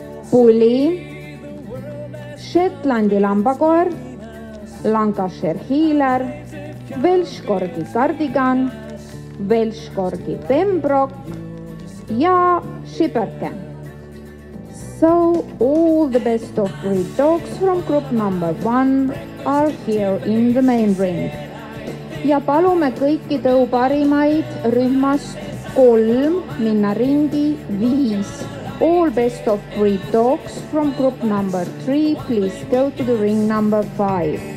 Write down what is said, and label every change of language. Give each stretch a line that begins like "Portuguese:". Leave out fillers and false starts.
Estonian: puli, Shetlandi lambakoer, Lancashire healer, Welshkorgi kardigan, Welshkorgi pembrok ja šiperke.
English: So all the best of breed dogs from group number 1 are here in the main ring.
Estonian: Ja palume kõiki tõu parimaid rühmast 3 minna ringi 5.
English: All best of breed dogs from group number 3, please go to the ring number 5.